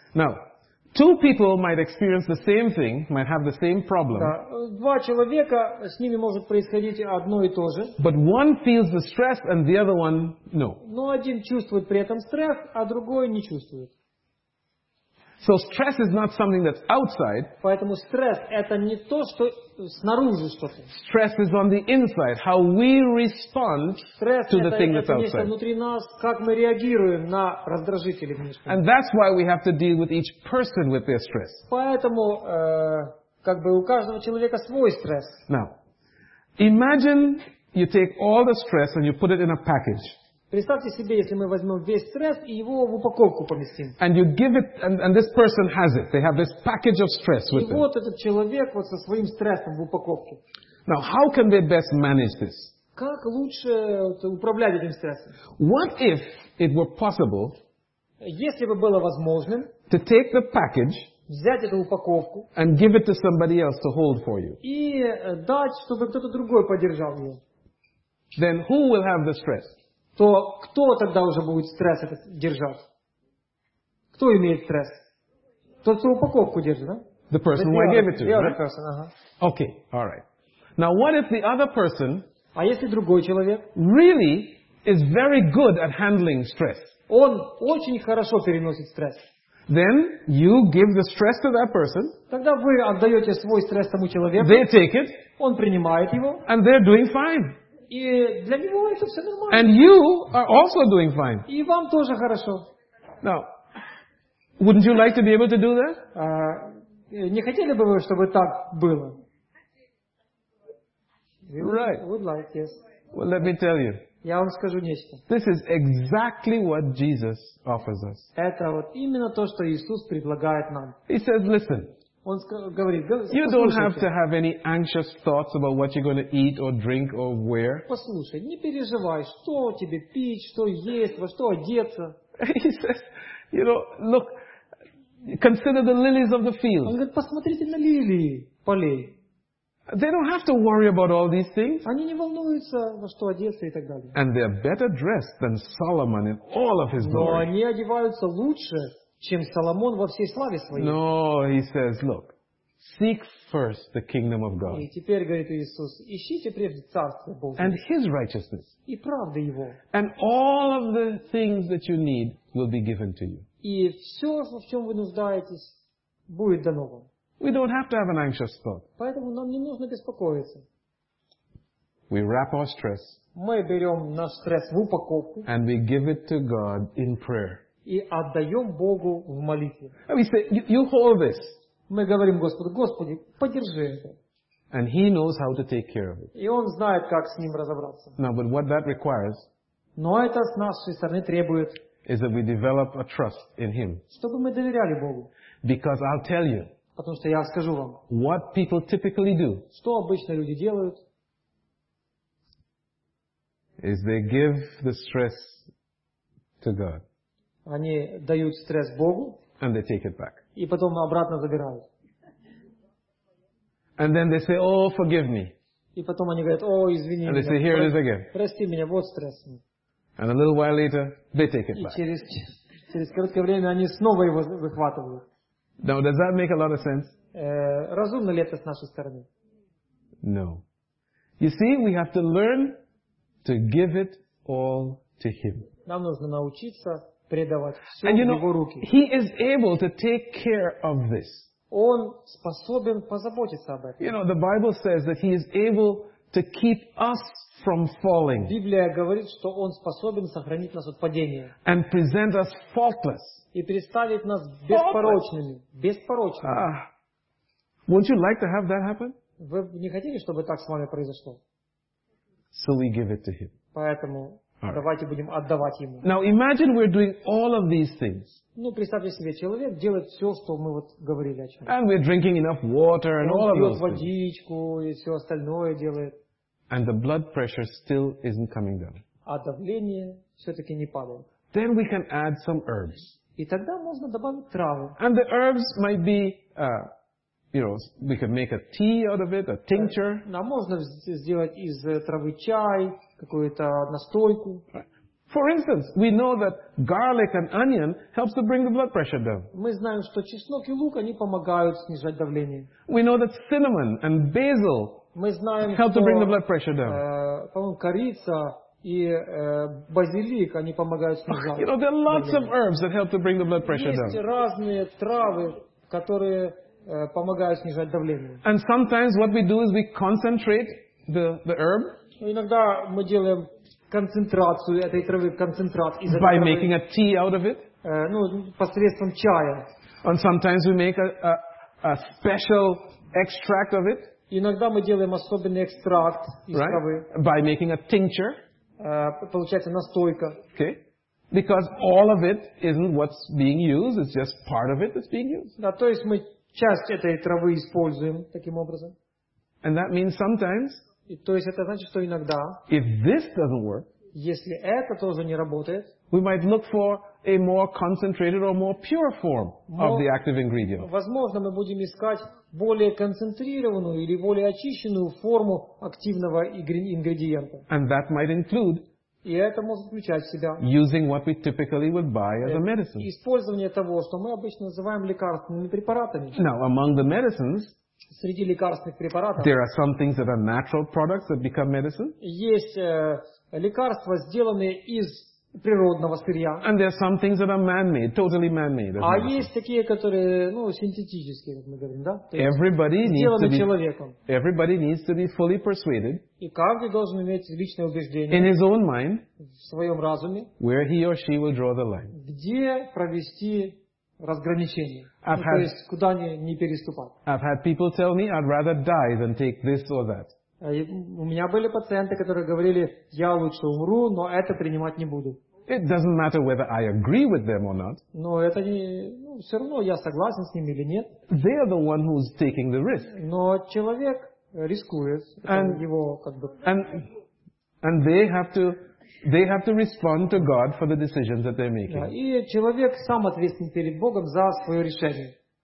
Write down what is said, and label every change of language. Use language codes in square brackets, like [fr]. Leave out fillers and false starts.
[en] Now, two people might experience the same thing, might have the same problem. [ru] Да, два человека, с ними может происходить одно и то же. [en] But one feels the stress and the other one, no. [ru] Но один чувствует при этом стресс, а другой не чувствует. [en] So stress is not something that's outside. [ru] Поэтому стресс это не то, что снаружи что-то. [en] Stress is on the inside, how we respond stress to the thing that's [ru] это [en] outside. [ru] Внутри нас, как мы реагируем на раздражители внешние. [en] And that's why we have to deal with each person with their stress. [ru] Поэтому как бы у каждого человека свой стресс. [en] Now, imagine you take all the stress and you put it in a package. [ru] Представьте себе, если мы возьмем весь стресс и его в упаковку поместим. [en] And you give it, and this person has it. They have this package of stress with them. [ru] И вот этот человек вот со своим стрессом в упаковке. [en] Now, how can they best manage this? [ru] Как лучше управлять этим стрессом? [en] What if it were possible? [ru] Если бы было возможным. [en] To take the package. [ru] Взять эту упаковку. [en] And give it to somebody else to hold for you. [ru] И дать, чтобы кто-то другой подержал ее. [en] Then who will have the stress? [ru] То кто тогда уже будет стресс этот держать? Кто имеет стресс? Тот, кто упаковку держит, да? [en] The person who I gave it to, right? Person, uh-huh. Okay, all right. Now, what if the other person? [ru] А если другой человек? [en] Really is very good at handling stress. [ru] Он очень хорошо переносит стресс. [en] Then you give the stress to that person. [ru] Тогда вы отдаете свой стресс тому человеку. [en] They take it. [ru] Он принимает его. [en] And they're doing fine. [ru] И для него это все нормально. [en] And you are also doing fine. [ru] И вам тоже хорошо. [en] Now, wouldn't you like to be able to do that? [ru] Не хотели бы вы, чтобы так было? [en] Right. Would like, yes. Well, let me tell you. [ru] Я вам скажу нечто. [en] This is exactly what Jesus offers us. [ru] Это вот именно то, что Иисус предлагает нам. [en] He says, listen. [ru] Он говорит, [en] you don't have to have any anxious thoughts about what you're going to eat or drink or wear. [ru] Послушай, не переживай, что тебе пить, что есть, во что одеться. [en] He says, you know, look, consider the lilies of the field. [ru] Он говорит, посмотрите на лилии полей. [en] They don't have to worry about all these things. [ru] Они не волнуются, во что одеться и так далее. [en] And they're better dressed than Solomon in all of his glory. [ru] Но они одеваются лучше. Чем Соломон во всей славе своей. [en] No, he says, look, seek first the kingdom of God. [ru] И теперь говорит Иисус, ищите прежде царство Божие. [en] And his righteousness. [ru] И правда его. [en] And all of the things that you need will be given to you. [ru] И все, в чем вы нуждаетесь, будет дано вам. [en] We don't have to have an anxious thought. [ru] Поэтому нам не нужно беспокоиться. [en] We wrap our stress. [ru] Мы берем наш стресс в упаковку. [en] And we give it to God in prayer. [ru] И отдаем Богу в молитве. [en] And we say, you hold this. [ru] Мы говорим Господу, Господи, подержи это. [en] And he knows how to take care of it. [ru] И он знает, как с ним разобраться. [en] Now, but what that requires, [ru] но это с нашей стороны требует, [en] is that we develop a trust in him. [ru] Чтобы мы доверяли Богу. [en] Because I'll tell you, [ru] потому что я скажу вам, [en] what people typically do, [ru] что обычно люди делают, [en] is they give the stress to God. [ru] Они дают стресс Богу. [en] And they take it back. [ru] И потом обратно забирают. [en] And then they say, oh, forgive me. [ru] И потом они говорят, о, извини меня. [en] And they say, here it is again. [ru] Прости меня, вот стресс. [en] And a little while later, they take it back. [ru] И через короткое время они снова его выхватывают. [en] Now, does that make a lot of sense? [ru] Разумно ли это с нашей стороны? [en] No. You see, we have to learn to give it all to him. [ru] Нам нужно научиться [en] And you know, he is able to take care of this. [ru] Он способен позаботиться об этом. [en] You know, the Bible says that he is able to keep us from falling. [ru] Библия говорит, что он способен сохранить нас от падения. [en] And present us faultless. [ru] И представить нас беспорочными. Беспорочными. Ah. [en] Wouldn't you like to have that happen? [ru] Вы не хотели, чтобы так с вами произошло? [en] So we give it to him. [ru] Поэтому [en] Right. [ru] Давайте будем отдавать ему. [en] Now imagine we're doing all of these things. [ru] Ну, представьте себе, человек делает все, что мы вот говорили о чем. [en] And we're drinking enough water and all of those things. [ru] Пьет водичку и все остальное делает. [en] And the blood pressure still isn't coming down. [ru] А давление все-таки не падает. [en] Then we can add some herbs. [ru] И тогда можно добавить травы. [en] And the herbs might be, you know, we can make a tea out of it, a tincture. [ru] Да, можно сделать из травы чай. Какую-то настойку. [en] For instance, we know that garlic and onion helps to bring the blood pressure down. [ru] Мы знаем, что чеснок и лук, они помогают снижать давление. [en] We know that cinnamon and basil [ru] Мы знаем, [en] help [ru] что, [en] to bring the blood pressure down. [ru] По-моему, корица И базилик, они помогают снижать. [en] You know, there are lots of herbs that help to bring the blood pressure down. [ru] Есть разные травы, которые помогают снижать давление. [en] And sometimes what we do is we concentrate the herb. [ru] Иногда мы делаем концентрацию этой травы, концентрат из этой травы. [en] By making a tea out of it. [ru] Ну, посредством чая. [en] And sometimes we make a special extract of it. [ru] Иногда мы делаем особенный экстракт из травы. [en] By making a tincture. [ru] Получается настойка. [en] Okay. Because all of it isn't what's being used, it's just part of it that's being used. [ru] Да, то есть мы часть этой травы используем таким образом. [en] And that means sometimes. [ru] И то есть это значит, что иногда. [en] If this doesn't work. [ru] Если это тоже не работает. [en] We might look for a more concentrated or more pure form of the active ingredient. [ru] Возможно, мы будем искать более концентрированную или более очищенную форму активного ингредиента. [en] And that might include. [ru] И это может включать в себя. [en] Using what we typically would buy as a medicine. [ru] Использование того, что мы обычно называем лекарственными препаратами. [en] Now, among the medicines. [ru] Среди лекарственных препаратов. [en] There are some things that are natural products that become medicine. [ru] Есть лекарства, сделанные из природного сырья. [en] And there are some things that are man-made, totally man-made. [ru] А есть такие, которые, ну, синтетические, как мы говорим, да? [en] Everybody needs to be [ru] человеком. [en] Everybody needs to be fully persuaded. [ru] И каждый должен иметь личное убеждение. [en] In his own mind. [ru] В своем разуме. [en] Where he or she will draw the line. [ru] Где провести разграничение? То есть куда не переступать? [en] I've had people tell me I'd rather die than take this or that. [ru] У меня были пациенты, которые говорили, я лучше умру, но это принимать не буду. [en] It doesn't matter whether I agree with them or not. [ru] Но это не, ну, все равно я согласен с ними или нет. [en] They are the one who's taking the risk. [ru] Но человек рискует, [en] and, [ru] его как бы. [en] And they have to respond to God for the decisions that they're making. [ru] Да, и человек сам ответственен перед Богом за свое решение.